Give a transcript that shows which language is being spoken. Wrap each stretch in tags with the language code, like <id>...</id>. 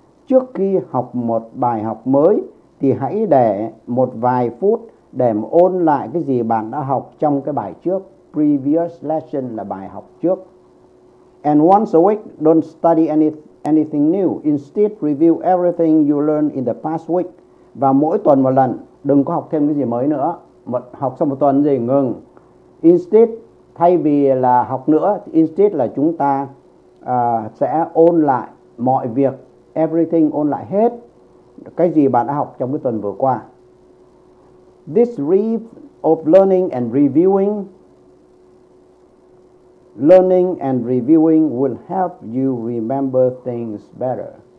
<vi>Trước khi học một bài học mới thì hãy để một vài phút để ôn lại cái gì bạn đã học trong cái bài trước. Previous lesson là bài học trước.</vi> <en>And once a week, don't study anything new. Instead, review everything you learned in the past week.</en> <vi>Và mỗi tuần một lần, đừng có học thêm cái gì mới nữa. Học xong một tuần gì ngừng. Instead, thay vì là học nữa, instead là chúng ta sẽ ôn lại mọi việc, everything, ôn lại hết cái gì bạn đã học trong cái tuần vừa qua.</vi> <en>This rhythm of learning and reviewing will help you remember things better.</en>